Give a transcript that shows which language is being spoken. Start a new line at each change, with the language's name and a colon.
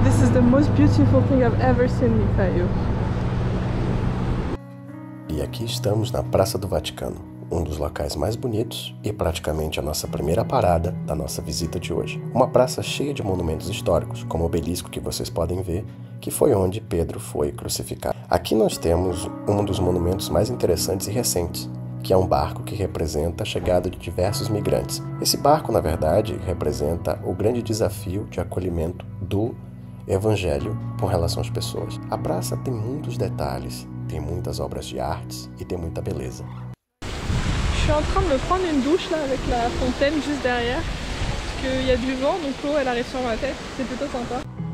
English: The most beautiful thing I've ever seen, Mikhail.
Portuguese: E aqui estamos na Praça do Vaticano, um dos locais mais bonitos e praticamente a nossa primeira parada da nossa visita de hoje. Uma praça cheia de monumentos históricos, como o obelisco que vocês podem ver, que foi onde Pedro foi crucificado. Aqui nós temos um dos monumentos mais interessantes e recentes, que é um barco que representa a chegada de diversos migrantes. Esse barco, na verdade, representa o grande desafio de acolhimento do Evangelho com relação às pessoas. A praça tem muitos detalhes, tem muitas obras de artes e tem muita beleza.
French: Je suis en train de prendre une douche là avec la fontaine juste derrière, parce que il y a du vent donc l'eau elle arrive sur ma tête, c'est plutôt sympa.